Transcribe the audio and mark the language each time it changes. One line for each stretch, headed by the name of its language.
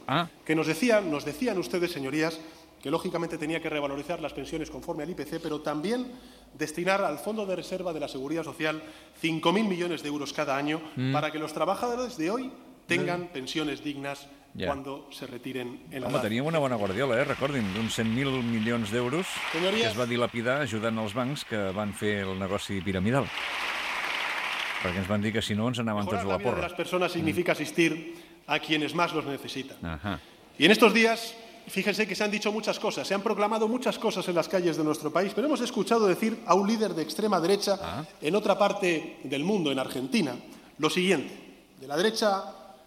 Spanish: Ah. Que nos decían ustedes, señorías, que lógicamente tenía que revalorizar las pensiones conforme al IPC, pero también destinar al Fondo de Reserva de la Seguridad Social 5.000 millones de euros cada año para que los trabajadores de hoy tengan pensiones dignas.
Catalan: Ja.
Spanish: Cuando se retiren en la...
Catalan: Home, teníem una bona guardiola, recordin, d'uns 100.000 milions d'euros que es va dilapidar ajudant els bancs que van fer el negoci piramidal. Perquè ens van dir que si no ens anaven tots a la porra.
Spanish: La vida de las personas significa asistir a quienes más los necesitan. Ajá. Y en estos días, fíjense que se han dicho muchas cosas, se han proclamado muchas cosas en las calles de nuestro país, pero hemos escuchado decir a un líder de extrema derecha en otra parte del mundo, en Argentina, lo siguiente, de la derecha...